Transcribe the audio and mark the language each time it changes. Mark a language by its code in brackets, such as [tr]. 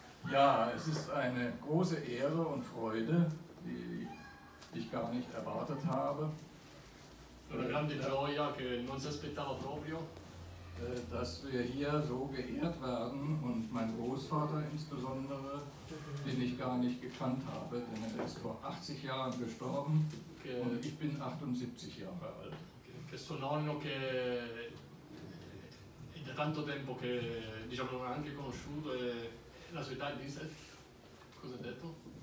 [de] Ja, es ist eine große Ehre und Freude, die ich gar nicht erwartet habe. [it] Una grande gioia che non si aspettava proprio. [de] Dass wir hier so geehrt werden und mein Großvater insbesondere, den ich gar nicht gekannt habe, denn er ist vor 80 Jahren gestorben und ich bin 78 Jahre alt. [it] Questo nonno che è da tanto tempo che diciamo non ha anche conosciuto la sua età, disse, cosa ha detto?